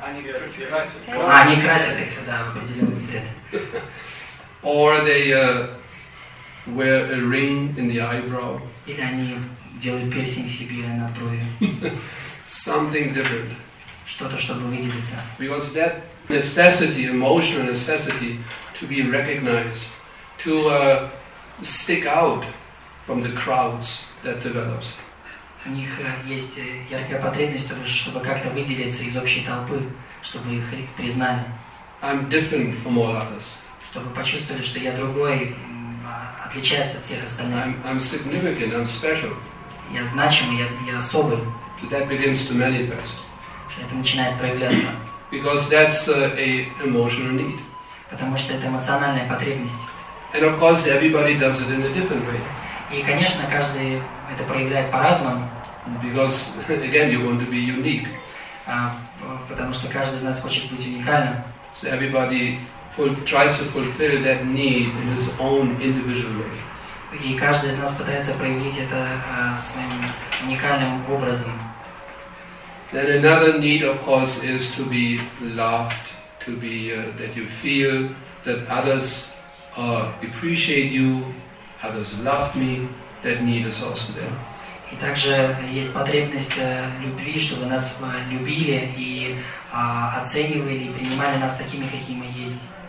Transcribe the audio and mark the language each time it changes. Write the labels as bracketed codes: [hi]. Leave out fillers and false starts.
[ru] Они красят их, да, в определенный цвет. [en] Or they wear a ring in the eyebrow. [ru] Или они делают пирсинг себе на брови. [en] Something different. [ru] Что-то, чтобы выделиться. [en] Because that necessity, emotional necessity, to be recognized, to stick out from the crowds that develops. [ru] У них есть яркая потребность, чтобы как-то выделиться из общей толпы, чтобы их признали. [en] I'm different from all others. [ru] Чтобы почувствовали, что я другой, отличаюсь от всех остальных. [en] I'm significant, I'm special. [ru] Я значимый, я особый. [en] So that begins to manifest. [ru] Это начинает проявляться. [en] Because that's a emotional need. [ru] Потому что это эмоциональная потребность. [en] And of course everybody does it in a different way. [ru] И, конечно, каждый это проявляет по-разному. [en] Because, again, you want to be unique. [ru] Потому что каждый из нас хочет быть уникальным. [en] So everybody tries to fulfill that need in his own individual way. [ru] И каждый из нас пытается проявить это своим уникальным образом. [en] Then another need, of course, is to be loved, to be that you feel that others appreciate you. Others love me. That need is also there. [ru] И также есть потребность любви, чтобы нас любили и оценивали, принимали нас такими, какие мы есть.